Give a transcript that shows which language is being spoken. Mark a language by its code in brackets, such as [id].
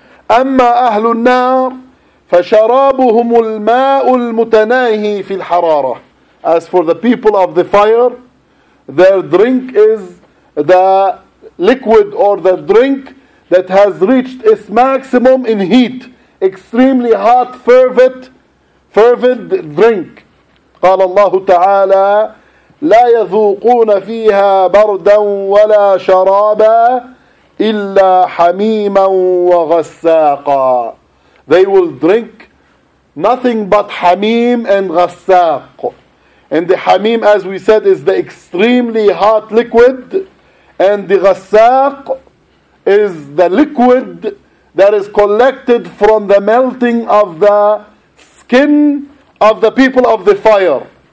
[ar] أَمَّا أَهْلُ النَّارِ فَشَرَابُهُمُ الْمَاءُ الْمُتَنَاهِي فِي الْحَرَارَةِ. [en] As for the people of the fire, their drink is the liquid or the drink that has reached its maximum in heat, extremely hot, fervent drink. [ar] قال الله تعالى لا يذوقون فيها بردا ولا شرابا إلا حميما وغساقا. [en] They will drink nothing but حميم and غساق. And the hamim, as we said, is the extremely hot liquid. And the ghassaq is the liquid that is collected from the melting of the skin of the people of the fire.